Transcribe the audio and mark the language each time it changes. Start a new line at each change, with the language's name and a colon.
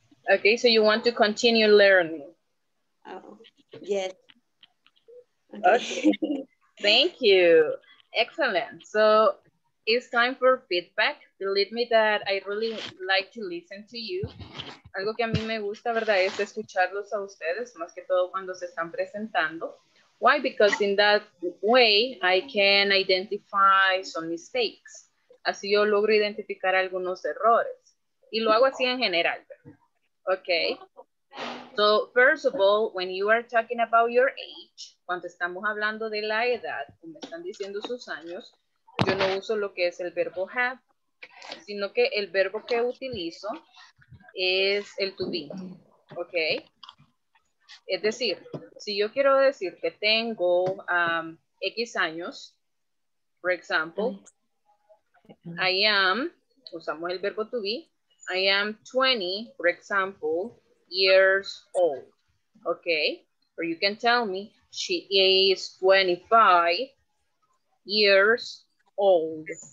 English: Okay, so you want to continue learning. Oh, yes. Okay. Thank you. Excellent. So it's time for feedback. Believe me that I really like to listen to you.
Spanish: Algo que a mí me gusta, ¿verdad?, es escucharlos a ustedes, más que todo cuando se están presentando.
English: Why? Because in that way, I can identify some mistakes.
Spanish: Así yo logro identificar algunos errores. Y lo hago así en general, ¿verdad? Okay.
English: So, first of all, when you are talking about your age,
Spanish: cuando estamos hablando de la edad, como están diciendo sus años, yo no uso lo que es el verbo have, sino que el verbo que utilizo es el to be, ¿ok? Es decir, si yo quiero decir que tengo X años,
English: for example, I am,
Spanish: usamos el verbo to be,
English: I am 20, for example, years old,
Spanish: ¿ok?
English: Or you can tell me, she is 25 years old.